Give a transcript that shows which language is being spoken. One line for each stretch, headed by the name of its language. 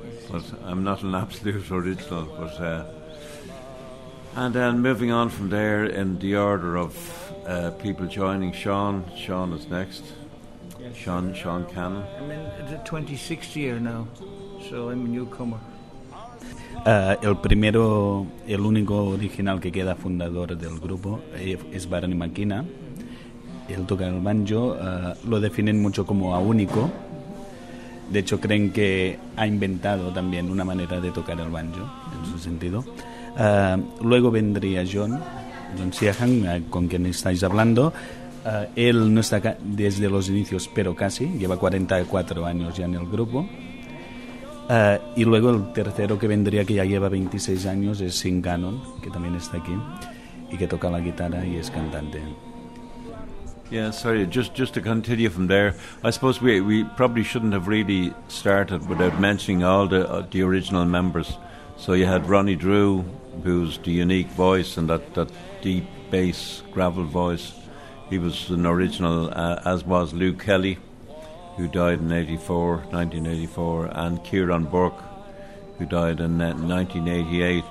English: But I'm not an absolute original. But and then moving on from there, in the order of people joining, Sean is next. Yes, Sean Cannon. I'm in the 26th year now, so I'm a newcomer.
Spanish: El primero, el único original que queda fundador del grupo es Barney McKenna. Él toca el banjo. Lo definen mucho como a único. De hecho, creen que ha inventado también una manera de tocar el banjo, en su sentido. Luego vendría John Siahan, con quien estáis hablando. Él no está desde los inicios, pero casi. Lleva 44 años ya en el grupo. Y luego el tercero que vendría, que ya lleva 26 años, es Sin Cannon, que también está aquí, y que toca la guitarra y es cantante.
English: Yeah, sorry, just to continue from there, I suppose we probably shouldn't have really started without mentioning all the original members. So you had Ronnie Drew, who's the unique voice and that deep bass gravel voice. He was an original, as was Lou Kelly, who died in 1984, and Kieran Burke, who died in 1988.